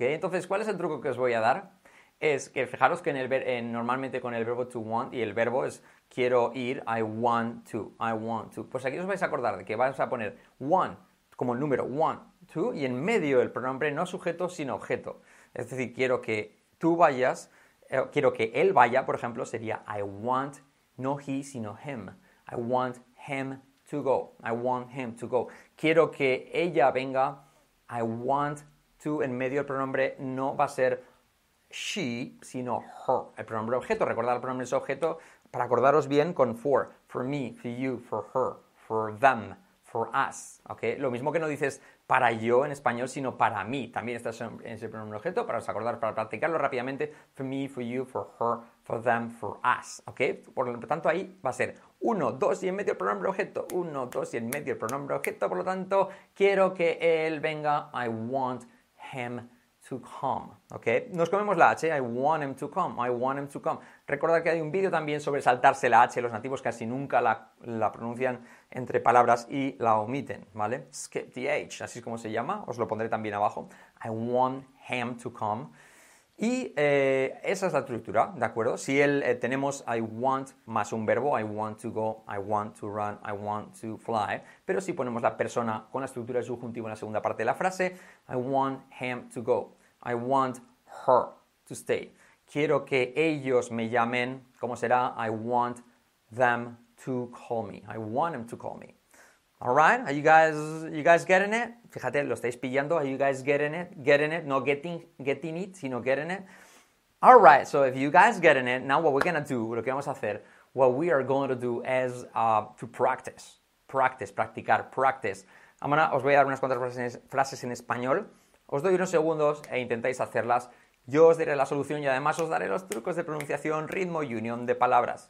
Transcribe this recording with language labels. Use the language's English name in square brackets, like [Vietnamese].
[Spanish] Entonces, ¿cuál es el truco que os voy a dar? Es que fijaros que normalmente con el verbo to want y el verbo es quiero ir, [English] I want to, I want to. [Spanish] Pues aquí os vais a acordar de que vais a poner one como el número, one, two, y en medio el pronombre no sujeto, sino objeto. Es decir, quiero que tú vayas, quiero que él vaya, por ejemplo, sería [English] I want, [Spanish] no he, sino him. [English] I want him to go, I want him to go. [Spanish] Quiero que ella venga, [English] I want to, [Spanish] en medio el pronombre no va a ser she, sino her, el pronombre objeto. Recordar el pronombre es objeto. Para acordaros bien con [English] for me, for you, for her, for them, for us, [Spanish] ¿ok? Lo mismo que no dices para yo en español, sino para mí. También está ese pronombre objeto, para os acordar, para practicarlo rápidamente. [English] For me, for you, for her, for them, for us. ¿Okay? [Spanish] Por lo tanto, ahí va a ser 1, 2 y en medio el pronombre objeto. 1, 2 y en medio el pronombre objeto. Por lo tanto, quiero que él venga. [English] I want him to come. ¿Okay? [Spanish] Nos comemos la H. [English] I want him to come. I want him to come. [Spanish] Recordad que hay un vídeo también sobre saltarse la H. Los nativos casi nunca la pronuncian entre palabras y la omiten, ¿vale? [English] Skip the H, [Spanish] así es como se llama. Os lo pondré también abajo. [English] I want him to come. [Spanish] Y esa es la estructura, ¿de acuerdo? Si él tenemos [English] I want [Spanish] más un verbo, [English] I want to go, I want to run, I want to fly. [Spanish] Pero si ponemos la persona con la estructura de subjuntivo en la segunda parte de la frase, [English] I want him to go, I want her to stay. [Spanish] Quiero que ellos me llamen, ¿cómo será? [English] I want them to call me. I want them to call me. All right? Are you guys getting it? [Spanish] Fíjate, lo estáis pillando. [English] Are you guys getting it? Getting it? No getting it, sino getting it. All right. So if you guys getting it, now what we're going to do, [Spanish] lo que vamos a hacer, [English] what we are going to do is to practice. Practice, [Spanish] practicar, [English] practice. [Spanish] Ahora os voy a dar unas cuantas frases en español. Os doy unos segundos e intentáis hacerlas. Yo os diré la solución y además os daré los trucos de pronunciación, ritmo y unión de palabras.